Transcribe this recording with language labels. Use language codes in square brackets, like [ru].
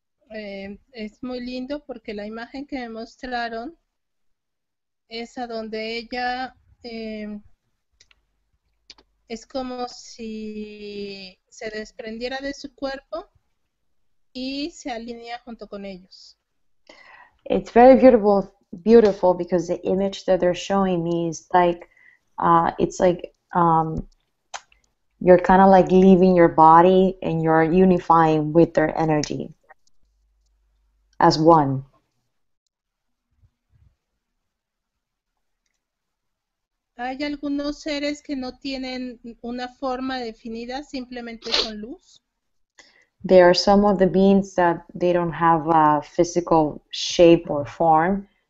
[es] Es muy lindo porque la imagen que me mostraron es a donde ella es como si se desprendiera de su cuerpo y se alinea junto con ellos. [en] It's very beautiful because the image that they're showing me is like it's like you're kind of like leaving your body and you're unifying with their energy. As one. [es] ¿Hay algunos seres que no tienen una forma definida, simplemente son luz? [en] There are some of the beings that they don't have a physical shape or form.